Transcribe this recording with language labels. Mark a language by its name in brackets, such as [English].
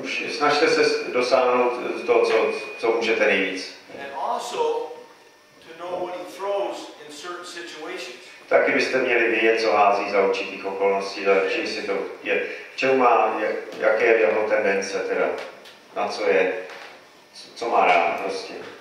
[Czech] Snažte se dosáhnout toho, co můžete nejvíc. [English] And also to know what he throws in certain situations. situations. [Czech] Taky byste měli vědět, co hází za určitých okolností, za čím si to je, v čem má, jaké je jeho tendence, teda, na co je, co má rád prostě.